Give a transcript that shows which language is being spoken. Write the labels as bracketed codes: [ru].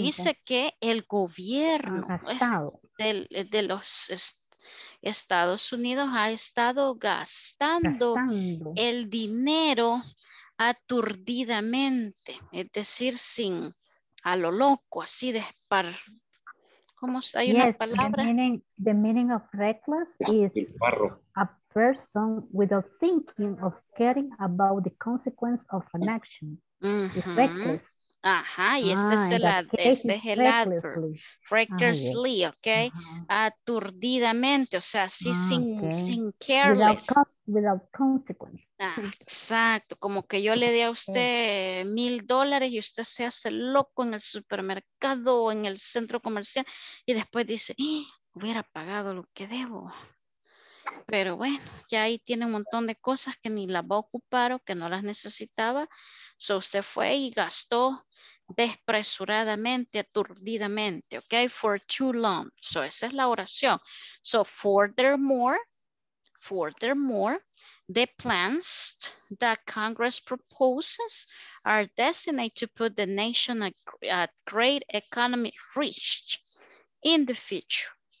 [es] Dice que el gobierno de los Estados Unidos ha estado gastando el dinero aturdidamente, es decir, sin, a lo loco, así de espar. ¿Cómo hay una palabra? [en] The meaning of reckless is a person without thinking of caring about the consequence of an action. [es] Uh-huh. [en] Is reckless. [es] Ajá, y este es el adverb. Recklessly, ok. Uh-huh. Aturdidamente, o sea, así sin careless. [en] Without consequence. [es] Ah, exacto, como que yo le di a usted $1,000 y usted se hace loco en el supermercado o en el centro comercial y después dice, hubiera pagado lo que debo. Pero bueno, ya ahí tiene un montón de cosas que ni las va a ocupar o que no las necesitaba. So usted fue y gastó despresuradamente, aturdidamente, ok, [en] for too long. [es] So esa es la oración. [en] So furthermore, the plans that Congress proposes are destined to put the nation at great economic risk in the future.